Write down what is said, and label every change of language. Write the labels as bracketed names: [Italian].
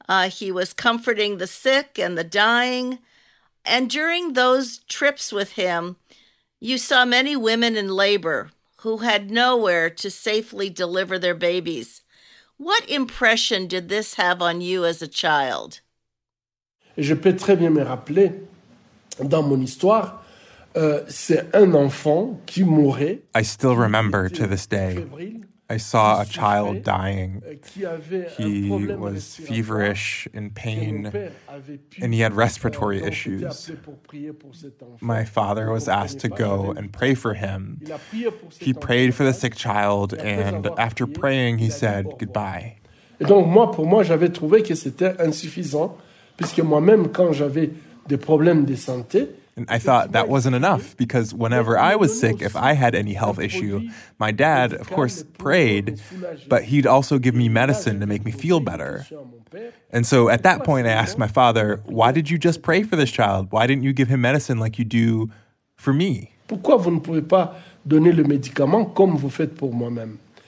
[English] He was comforting the sick and the dying. And during those trips with him, you saw many women in labor who had nowhere to safely deliver their babies. What impression did this have on you as a child? [French] Je peux très bien me rappeler dans mon histoire, c'est un enfant qui mourait. [English] I still remember to this day. I saw a child dying. He was feverish, in pain, and he had respiratory issues. My father was asked to go and pray for him. He prayed for the sick child, and after praying, he said goodbye. [French] Et donc moi, pour moi, j'avais trouvé que c'était insuffisant, puisque moi-même, quand j'avais des problèmes de santé. [English] And I thought that wasn't enough, because whenever I was sick, if I had any health issue, my dad, of course, prayed, but he'd also give me medicine to make me feel better. And so at that point, I asked my father, why did you just pray for this child? Why didn't you give him medicine like you do for me? [French] Pourquoi vous ne pouvez pas donner le médicament comme vous faites pour moi-même?